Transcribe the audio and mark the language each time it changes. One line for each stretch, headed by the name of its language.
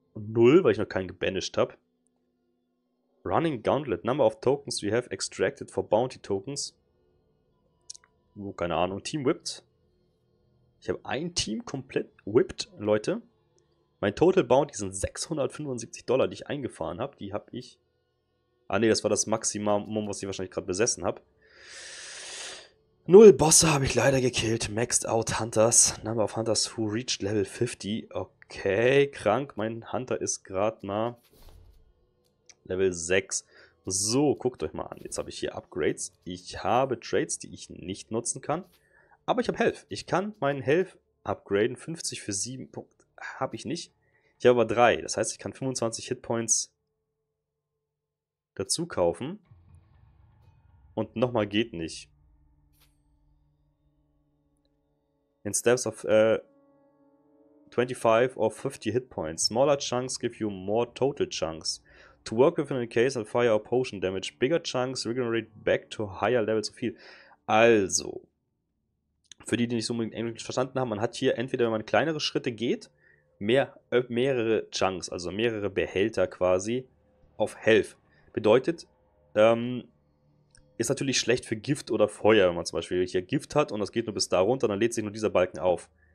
German: Null, weil ich noch keinen gebanished habe.
English: Running Gauntlet. Number of Tokens we have extracted for Bounty Tokens.
German: Oh, keine Ahnung. Team Whipped. Ich habe ein Team komplett whipped, Leute. Mein Total Bounty sind 675 Dollar, die ich eingefahren habe. Die habe ich. Ah, ne, das war das Maximum, was ich wahrscheinlich gerade besessen habe. Null Bosse habe ich leider gekillt.
English: Maxed out Hunters. Number of Hunters who reached Level 50.
German: Okay, krank. Mein Hunter ist gerade mal Level 6. So, guckt euch mal an. Jetzt habe ich hier Upgrades. Ich habe Trades, die ich nicht nutzen kann. Aber ich habe Health. Ich kann meinen Health upgraden. 50 für 7 Punkte habe ich nicht. Ich habe aber 3. Das heißt, ich kann 25 Hitpoints dazu kaufen. Und nochmal geht nicht.
English: In steps of 25 or 50 Hitpoints. Smaller chunks give you more total chunks. To work within a case of fire or potion damage. Bigger chunks regenerate back to higher levels of heal. Also.
German: Für die, die nicht so mit Englisch verstanden haben, man hat hier entweder, wenn man kleinere Schritte geht, mehrere Chunks, also mehrere Behälter quasi auf Health. Bedeutet, ist natürlich schlecht für Gift oder Feuer, wenn man zum Beispiel hier Gift hat und das geht nur bis da runter, dann lädt sich nur dieser Balken auf.